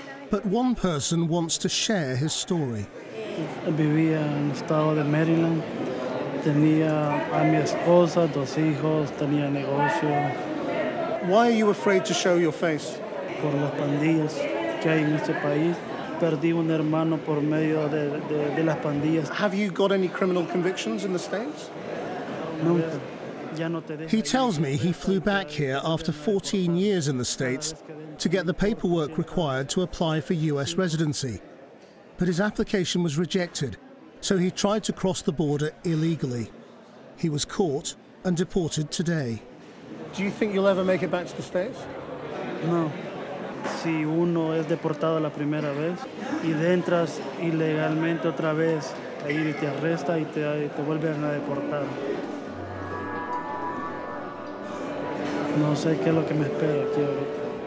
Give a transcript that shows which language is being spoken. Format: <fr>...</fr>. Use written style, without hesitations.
<en>But one person wants to share his story.</en> <es>I vivía en el estado de Maryland. Tenía a mi esposa, 2 hijos, tenía negocio.</es> <en>Why are you afraid to show your face?</en> <es>Por las pandillas que hay en este país. Perdí un hermano por medio de las pandillas.</es> <en>Have you got any criminal convictions in the States?</en> <es>Nunca.</es> <en>He tells me he flew back here after 14 years in the States to get the paperwork required to apply for U.S. residency. But his application was rejected, so he tried to cross the border illegally. He was caught and deported today. Do you think you'll ever make it back to the States? No.</en> <es>Si uno es deportado la primera vez y entras ilegalmente otra vez, ahí te arresta y te vuelven a deportar. No sé qué es lo que me espera aquí ahorita.</es>